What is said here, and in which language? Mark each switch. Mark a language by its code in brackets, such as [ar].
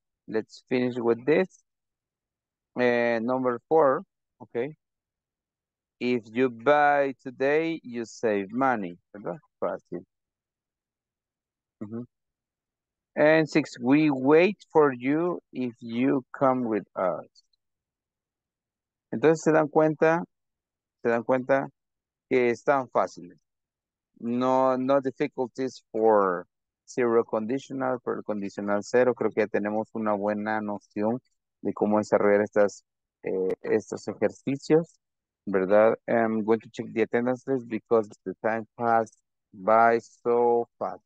[en] Let's finish with this. Number four, okay. If you buy today, you save money. Fácil. And six, we wait for you if you come with us. [es] Entonces, se dan cuenta que están fáciles. [en] No difficulties for [es] zero conditional, pearl conditional cero. Creo que ya tenemos una buena noción de cómo desarrollar estas, estos ejercicios, ¿verdad? [en] I'm going to check the attendance list because the time passed by so fast.